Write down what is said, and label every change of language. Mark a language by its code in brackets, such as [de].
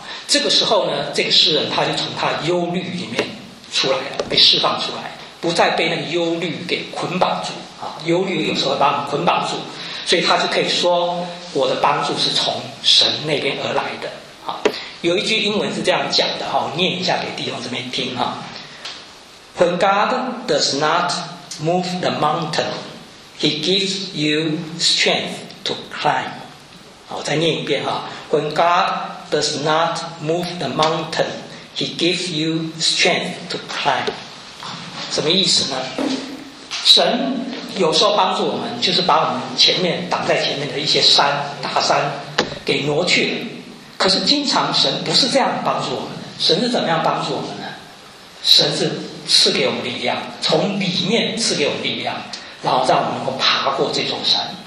[zh] 这个时候呢，这个诗人他就从他的忧虑里面出来了，被释放出来，不再被那个忧虑给捆绑住。忧虑有时候把我们捆绑住，所以他就可以说，我的帮助是从神那边而来的。有一句英文是这样讲的，我念一下给弟兄姊妹听。 [en] When God does not move the mountain, He gives you strength to climb。 [zh] 我再念一遍。 [en] When God does not move the mountain, He gives you strength to climb。 [zh] 什么意思呢？神有时候帮助我们，就是把我们前面挡在前面的一些山大山给挪去了。可是经常神不是这样帮助我们的，神是怎么样帮助我们呢？神是赐给我们力量，从里面赐给我们力量，然后让我们能够爬过这座山。